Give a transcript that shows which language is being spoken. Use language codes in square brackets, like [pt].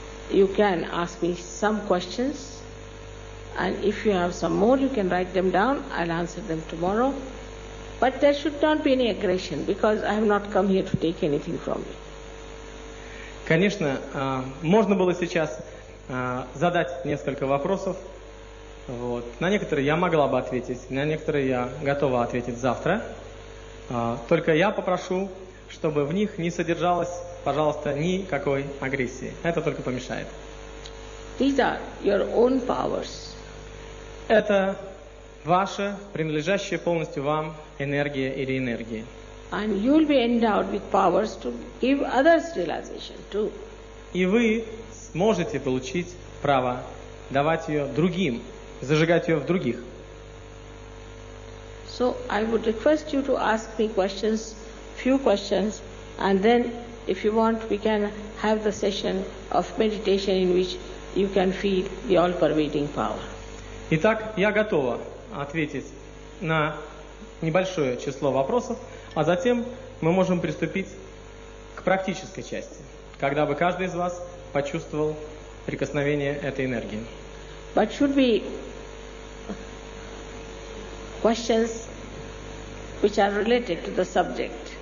[en] You can ask me some questions, and if you have some more, you can write them down. I'll answer them tomorrow. But there should not be any aggression, because I have not come here to take anything from you. [ru] Конечно, можно было сейчас задать несколько вопросов. Вот. На некоторые я могла бы ответить, на некоторые я готова ответить завтра. Только я попрошу, чтобы в них не содержалось, пожалуйста, никакой агрессии. Это только помешает. [en] These are your own powers. [ru] Это ваша, принадлежащая полностью вам, энергия или энергии. [en] And you'll be endowed with powers to give others realization too. [ru] И вы сможете получить право давать ее другим, зажигать ее в других. [en] So I would request you to ask me questions, few questions, and then if you want we can have the session of meditation in which you can feel the all-pervading power. [ru] Итак, я готова ответить на небольшое число вопросов, а затем мы можем приступить к практической части. когда бы каждый из вас почувствовал прикосновение этой энергии. [en] But should be questions which are related to the subject.